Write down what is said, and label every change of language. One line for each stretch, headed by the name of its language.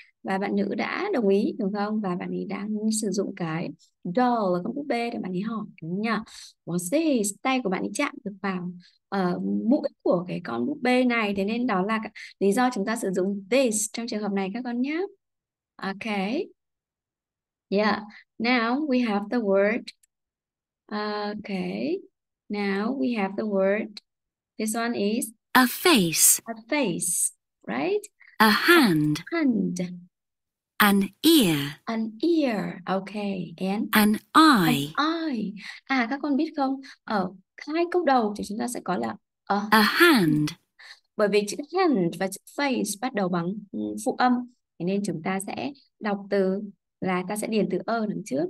Vietnamese: Và bạn nữ đã đồng ý đúng không? Và bạn ấy đang sử dụng cái doll là con búp bê để bạn ấy hỏi đúng không nhỉ?
English: What's this?
Vietnamese: Tay của bạn ấy chạm được vào mũi của cái con búp bê này, thế nên đó là lý do chúng ta sử dụng this trong trường hợp này các con nhé.
English: Okay. Yeah, now we have the word, okay, now we have the word, this one is a face, right? A hand, a hand, an ear, okay, and an eye,
Vietnamese: à các con biết không, ở hai câu đầu thì chúng ta sẽ có là
English: a hand,
Vietnamese: bởi vì chữ hand và chữ face bắt đầu bằng phụ âm, thế nên chúng ta sẽ đọc từ là ta sẽ điền từ ơ đằng trước.